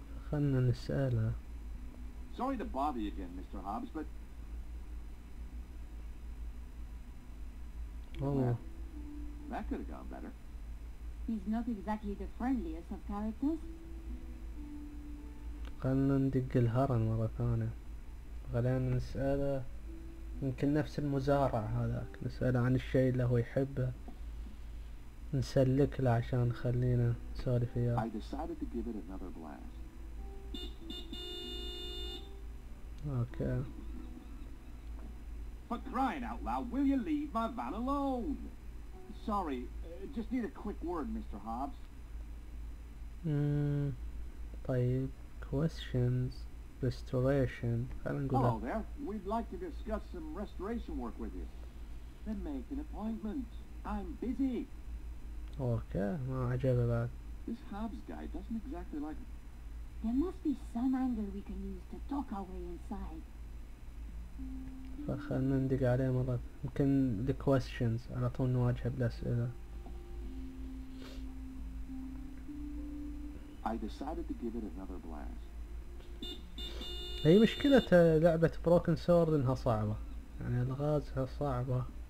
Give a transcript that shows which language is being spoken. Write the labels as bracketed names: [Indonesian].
[Arabic] خلنا نسألها. [English] Sorry to bother you again, Mr. Hobbs, but. Oh. That could have gone better. He's not exactly the friendliest of characters. [Arabic] خلنا ندق الهرن مرة ثانية. خلينا نسأله. يمكن نفس المزارع هذاك، نسأله عن الشيء اللي هو يحبه، نسلك له عشان خلينا نسولف وياه. [English] I decided to give it another blast. Okay. For crying out loud, will you leave my van alone? Sorry, just need a quick word, Mr. Hobbs. طيب. Questions. Restoration. Hello there. We'd like to discuss some restoration work with you. Then make an appointment. I'm busy. Okay. [Arabic] ما عجبه بعد. [English] This Hobbs guy doesn't exactly like. There must be some angle we can use to talk our way inside. [Arabic] فخلنا ندق عليه مرة، يمكن [English] the questions [Arabic] على طول نواجهه بالأسئلة. [English] I decided to give it another blast. [Arabic] هي مشكلة لعبة بروكن سورد انها صعبة، يعني الغازها صعبة.